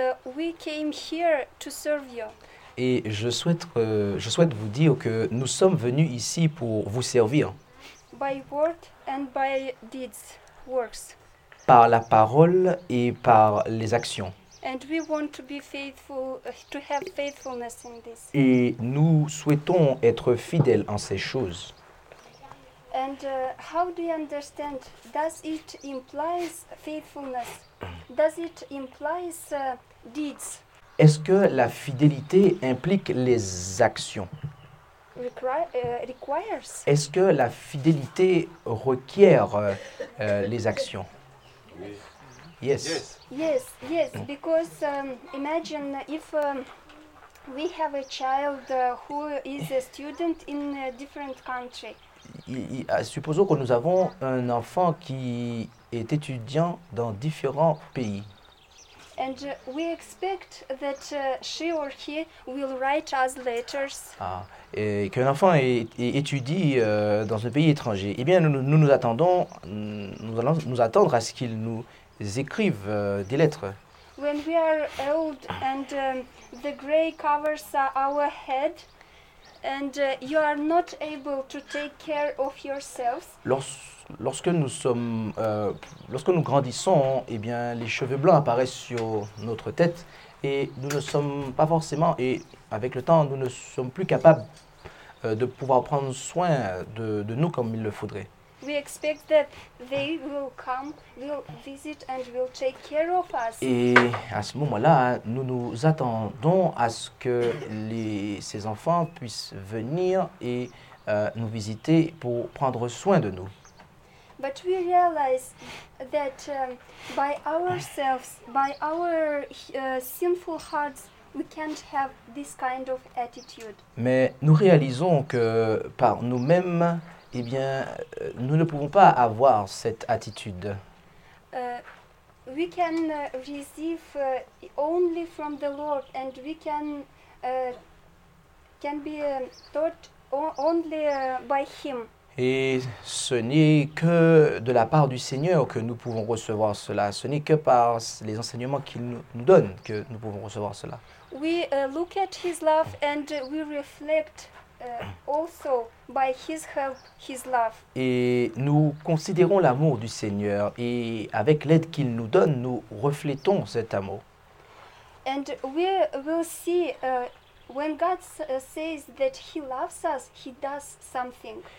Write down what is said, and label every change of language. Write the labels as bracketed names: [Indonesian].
[English] I want to tell you that we came here to serve you. [French] Et je souhaite vous dire que nous sommes venus ici pour vous servir. [English] By word and by deeds, works. [French] Par la parole et par les actions. [English] And we want to be faithful, to have faithfulness in this. [French] Et nous souhaitons être fidèles en ces choses. [English] And how do you understand? Does it implies faithfulness? Does it implies deeds? [French] Est-ce que la fidélité implique les actions? [English] Requires. [French] Est-ce que la fidélité requiert les actions? [English] Yes. Because imagine if we have a child who is a student in a different country. [French] Supposons que nous avons un enfant qui est étudiant dans différents pays. [English] And we expect that she or he will write us letters. [French] Ah, et qu'un enfant étudie dans un pays étranger. Eh bien, nous allons nous attendre à ce qu'il nous écrive des lettres. [English] When we are old and the gray covers our head and you are not able to take care of yourselves. [French] Lorsque nous grandissons, eh bien, les cheveux blancs apparaissent sur notre tête et nous ne sommes pas forcément, et avec le temps, nous ne sommes plus capables de pouvoir prendre soin de nous comme il le faudrait. [English] We expect that they will come, will visit and will take care of us. [French] Et à ce moment-là, nous nous attendons à ce que ces enfants puissent venir et nous visiter pour prendre soin de nous. [English] But we realize that by ourselves, by our sinful hearts, we can't have this kind of attitude. [French] Mais nous réalisons que par nous-mêmes, eh bien, nous ne pouvons pas avoir cette attitude. [English] We can receive only from the Lord, and we can be taught only by Him. [French] Et ce n'est que de la part du Seigneur que nous pouvons recevoir cela. Ce n'est que par les enseignements qu'il nous donne que nous pouvons recevoir cela. [English] We look at his love and we reflect also by his help, his love. [French] Et nous considérons l'amour du Seigneur et avec l'aide qu'il nous donne, nous reflétons cet amour. [English] And we will see when God says that he loves us, he does something.